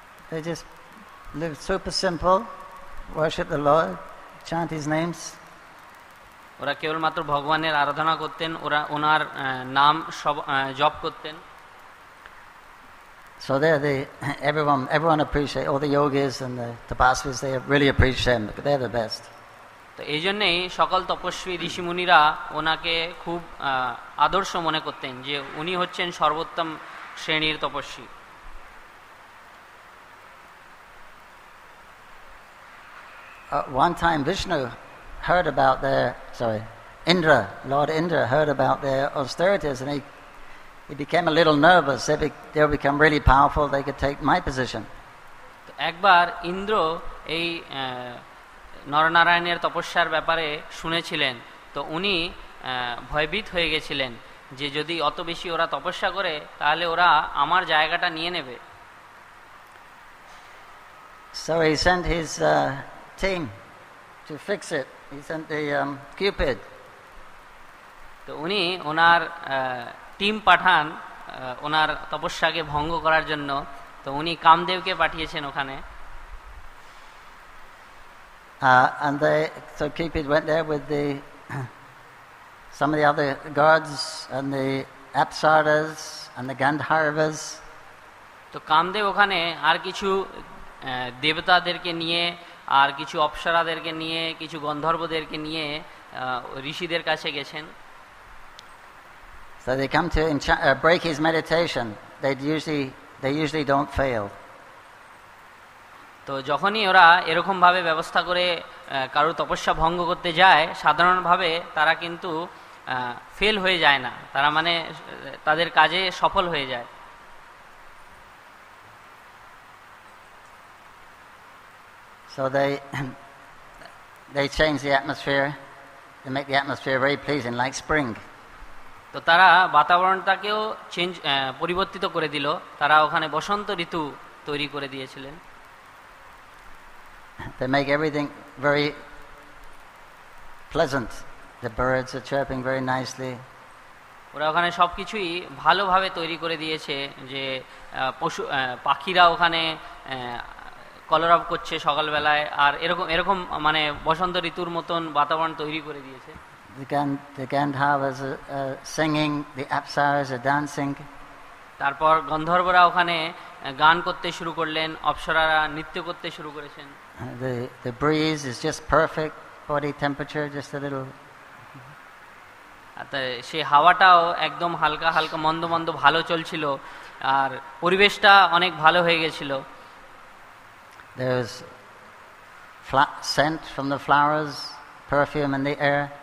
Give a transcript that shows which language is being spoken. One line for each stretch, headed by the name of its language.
English: They just live super simple, worship the Lord, chant his names.
Bangla: ওরা কেবলমাত্র ভগবানের আরাধনা করতেন, ওরা ওনার নাম সব জপ করতেন।
English: So they are the everyone appreciate all the yogis and the tapasvis, they really appreciate them, because they are the best.
Bangla: তো এই জন্যই সকল তপস্বী ঋষি মুনিরা ওনাকে খুব আদর্শ মনে করতেন, যে উনি হচ্ছেন সর্বোত্তম শ্রেণীর তপস্বী।
English: One time Vishnu heard about their, sorry, Indra, Lord Indra heard about their austerities, and he became a little nervous. They'll become really powerful, they could take my position.
Bangla: একবার ইন্দ্র এই নরনারায়ণের তপস্যার ব্যাপারে শুনেছিলেন, তো উনি ভয়ভীত হয়ে গেছিলেন যে যদি অত বেশি ওরা তপস্যা করে তাহলে ওরা আমার জায়গাটা নিয়ে নেবে।
English: So he sent his team to fix it. He sent the Cupid.
Bangla: তো উনি ওনার টিম পাঠান ওনার তপস্যাকে ভঙ্গ করার জন্য, তো উনি কামদেবকে পাঠিয়েছেন ওখানে।
English: And they, so Cupid went there with the some of the other gods and the apsaras and the gandharvas.
Bangla: তো কামদেব ওখানে আর কিছু দেবতাদেরকে নিয়ে আর কিছু অপ্সরাদেরকে নিয়ে কিছু গন্ধর্বদেরকে নিয়ে ঋষিদের কাছে গেছেন।
English: So they come to break his meditation. They usually don't fail.
Bangla: তো যখনই ওরা এরকম ভাবে ব্যবস্থা করে কারো তপস্যা ভঙ্গ করতে যায় সাধারণভাবে তারা কিন্তু ফেল হয়ে যায় না, তারা মানে তাদের কাজে সফল হয়ে যায়।
English: So they change the atmosphere, they make the atmosphere very pleasing, like spring.
Bangla: তো তারা বাতাবরণটাকেও চেঞ্জ পরিবর্তিত করে দিল, তারা ওখানে বসন্ত ঋতু তৈরি করে দিয়েছিলেন।
English: They make everything very pleasant. The birds are chirping very nicely.
Bangla: ওরা ওখানে সবকিছুই ভালোভাবে তৈরি করে দিয়েছে, যে পশু পাখিরা ওখানে কলরব করছে সকালবেলায়, আর এরকম এরকম মানে বসন্ত ঋতুর মতন বাতাবরণ তৈরি করে দিয়েছে।
English: The Gandharvas are singing, the Apsaras are dancing.
Bangla: তারপর গন্ধর্বরা ওখানে গান করতে শুরু করলেন, অপ্সরারা নৃত্য করতে শুরু করেছেন।
English: The breeze is just perfect, body temperature just a little.
Bangla: আর সেই হাওয়াটাও একদম হালকা হালকা মন্দ মন্দ ভালো চলছিল, আর পরিবেশটা অনেক ভালো হয়ে গেছিল।
English: There was scent from the flowers, perfume in the air.